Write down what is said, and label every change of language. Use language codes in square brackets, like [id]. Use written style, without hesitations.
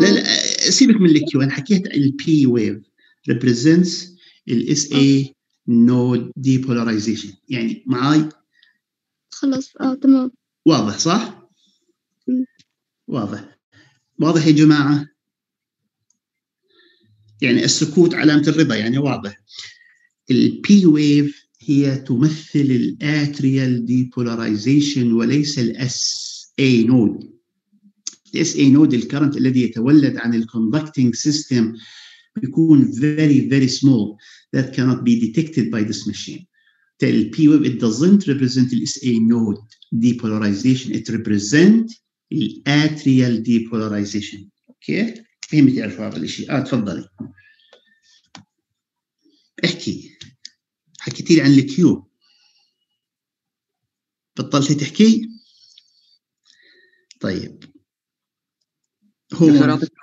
[ar] لا لا سيبك من الكيو، أنا حكيت الـ P wave represents الـ SA node depolarization، يعني معاي خلص. آه تمام واضح صح؟ واضح واضح يا جماعة، يعني السكوت علامة الرضا يعني واضح. الـ P wave هي تمثل الـ atrial depolarization وليس الـ SA node. الـ SA node الكرنت الذي يتولد عن الـ conducting system بيكون [en] very very small that cannot be detected by this machine. The P wave it doesn't represent the SA node depolarization. It represent the atrial depolarization. [ar] Okay؟ فهمتي عرفوا هذا الشيء؟ آه تفضلي. احكي. حكيتي عن الـ Q. بطلتي تحكي؟ طيب. هو.